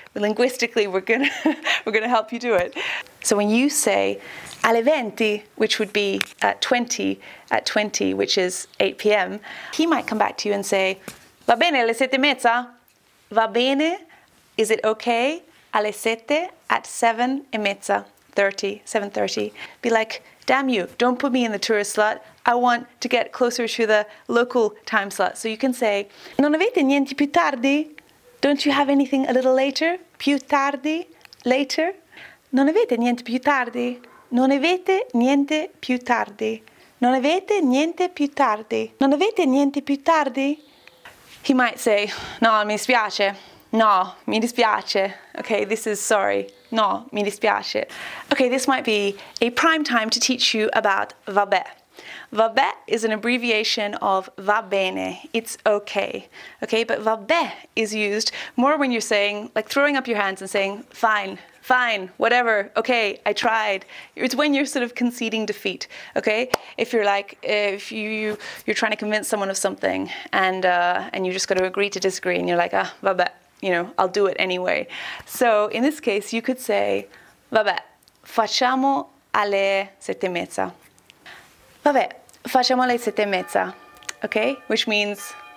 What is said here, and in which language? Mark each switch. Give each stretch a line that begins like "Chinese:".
English: Linguistically, we're gonna help you do it. So when you say
Italian: alle 20,
English: which would be at 20, which is 8 p.m., he might come back to you and say,
Italian: va bene alle 7 e mezza? Va bene?
English: Is it okay?
Italian: Alle sette,
English: at 7:30. Be like, damn you, don't put me in the tourist slot. I want to get closer to the local time slot. So you can say,
Italian: non avete niente più tardi?
English: Don't you have anything a little later?
Italian: Più tardi,
English: later?
Italian: Non avete niente più tardi? Non avete niente più tardi? Non avete niente più tardi? Non avete niente più tardi?
English: He might say,
Italian: no, mi spiace. No, mi dispiace.
English: Okay, this is sorry.
Italian: No, mi dispiace.
English: Okay, this might be a prime time to teach you about vabbè. Vabbè is an abbreviation of va bene. It's okay. Okay, but vabbè is used more when you're saying, like throwing up your hands and saying, fine, fine, whatever, okay, I tried. It's when you're sort of conceding defeat, okay? If you're like, if you're trying to convince someone of something and you just got to agree to disagree and you're like, ah, vabbè. You know, I'll do it anyway. So in this case, you could say,
Italian: vabbè, facciamo alle sette e mezza. Vabbè, facciamo alle sette e mezza.
English: Okay, which means,